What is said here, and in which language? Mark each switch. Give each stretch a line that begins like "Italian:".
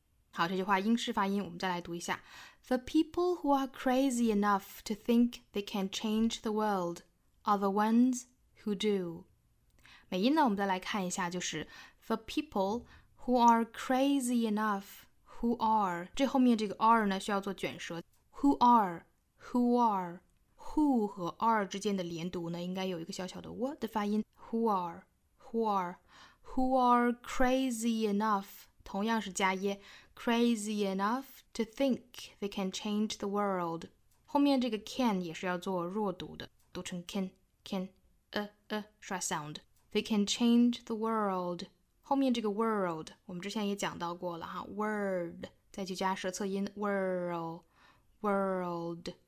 Chinese: 好，这句话英式发音我们再来读一下。
English: The people who are crazy enough to think they can change the world are the ones who do.
Chinese: 美音呢我们再来看一下，就是
English: The people who are
Chinese: crazy enough, who are, 这后面这个 are 呢需要做卷舌。
English: Who are?
Chinese: Who 和 are 之间的连读呢？应该有一个小小的 w 的发音。
English: Who are? Who are crazy enough?
Chinese: 同样是加
English: ye, crazy enough to think they can change the world.
Chinese: 后面这个 can 也是要做弱读的，读成 can, 刷 sound.
English: They can change the world.
Chinese: 后面这个 world 我们之前也讲到过了哈 ，word 再去加舌侧音 world.